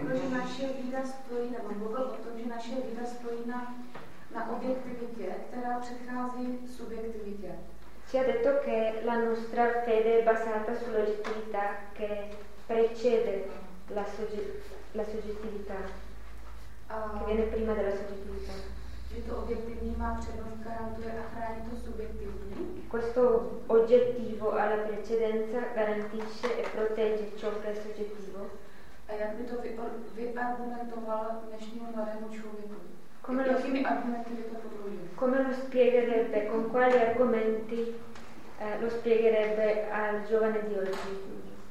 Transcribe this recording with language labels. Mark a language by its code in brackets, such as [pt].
[cs] Naše víra stojí, nebo mluvil o tom, že naše víra stojí na objektivitě, která předchází subjektivitě. [it] Si ha detto che la nostra fede è basata sulla oggettività che precede la soggettività, che viene prima della soggettività. [cs] Že to objektivní má přednost, garantuje a chrání to subjektivní. [it] Questo oggettivo ha la precedenza, garantisce e protegge ciò che è soggettivo. [cs] A jak by to vyargumentoval dnešnímu mladému člověku? Jakými argumenty by to podložil? [it] Come lo spiegherebbe, con quali argomenti lo spiegherebbe al giovane di oggi?